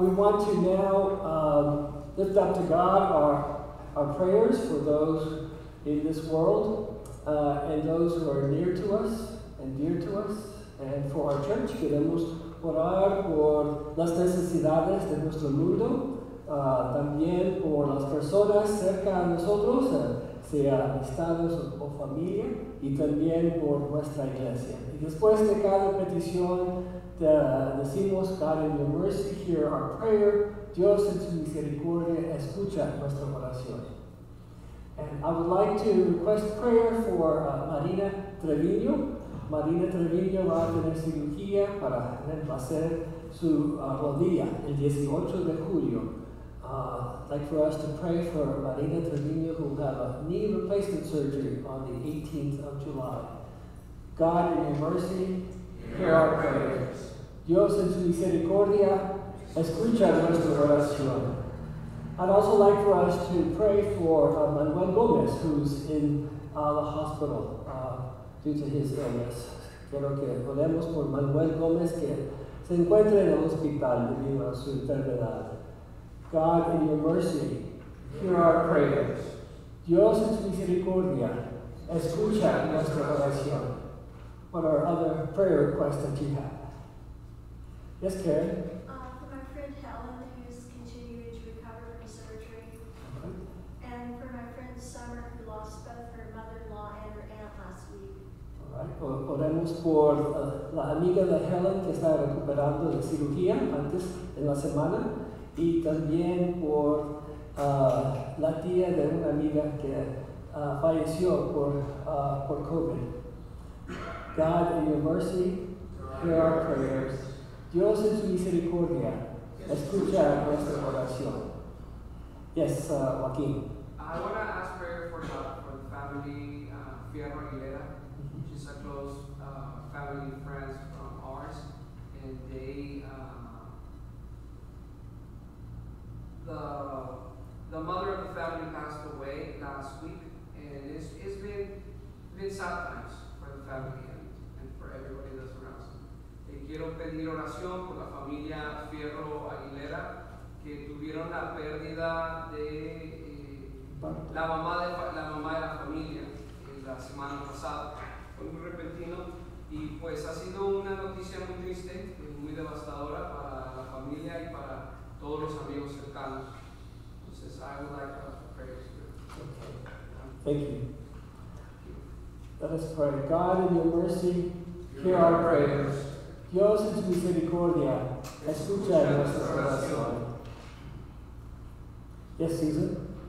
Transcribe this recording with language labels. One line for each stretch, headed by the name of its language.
English: We want to now lift up to God our prayers for those in this world and those who are near to us and dear to us, and for our church.
Spanish: Queremos orar por las necesidades de nuestro mundo, también por las personas cerca a nosotros, sea amistades o familia, y también por nuestra iglesia. Y después de cada petición, decimos,
English: God in your mercy, hear our prayer.
Spanish: Dios en su misericordia, escucha nuestra oración.
English: And I would like to request prayer for Marina Treviño.
Spanish: Marina Treviño va a tener cirugía para hacer su rodilla el 18 de julio.
English: I'd like for us to pray for Marina Treviño, who will have a knee replacement surgery on the 18th of July. God, in your mercy, hear our prayers. Dios, en su misericordia, escucha nuestra oración. I'd also like for us to pray for Manuel Gomez, who's in the hospital due to his illness.
Spanish: Quiero que oremos por Manuel Gomez, que se encuentra en el hospital debido a su enfermedad.
English: God, in your mercy, hear our prayers.
Spanish: Dios, en su misericordia, escucha nuestra oración.
English: What are other prayer requests that you have? Yes, Karen? For my friend Helen, who's continuing to recover from surgery. Okay. And for my friend Summer, who lost both her mother-in-law and her aunt last week. All right.
Spanish: Oremos por la amiga de Helen, que está recuperando de cirugía antes en la semana, y también por la tía de una amiga que falleció por COVID.
English: God, in your mercy, hear our prayers.
Spanish: Dios, en su misericordia, escucha nuestra oración.
English: Yes, Joaquin. I want to ask prayer for the family Fierro Aguilera. Mm-hmm. She's a close family and friends from ours, and they the mother of the family passed away last week, and it's been sad times for the family and for everybody that's around.
Spanish: Y quiero pedir oración por la familia Fierro Aguilera, que tuvieron la pérdida de la mamá de la familia la semana pasada. Fue muy repentino y pues ha sido una noticia muy triste, muy devastadora para la familia y para todos los amigos cercanos. Entonces,
English: I would like to pray for you. Thank you. Let us pray. God, in your mercy, hear our prayers.
Spanish: Dios, en su misericordia, escucha nuestra oración.
English: Yes, Susan?